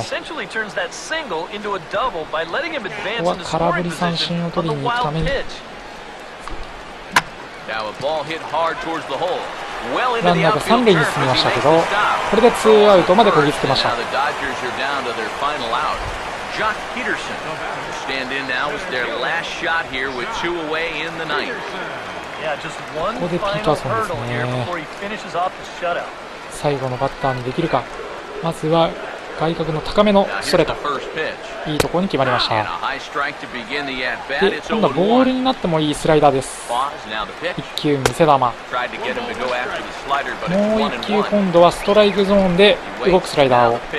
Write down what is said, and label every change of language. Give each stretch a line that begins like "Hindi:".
Japanese: ここは空振り三振を取りに行くために。
English: Now a ball hit hard towards the hole. Well into the outfield.
Japanese: ランナーが3塁に進みましたけど、これでツーアウトまでこぎつけました。
English: Now the Dodgers are down to their final out. Jock Peterson will stand in now with their last shot here with two away in the ninth. Yeah, just one final hurdle here before he finishes off the shutout.
Japanese: 最後のバッターにできるか。まずは外角の高めのストレート。いいところに決まりました。で、今度はボールになってもいいスライダーです。 1球見せ球。もう1球今度はストライクゾーンで動くスライダーを。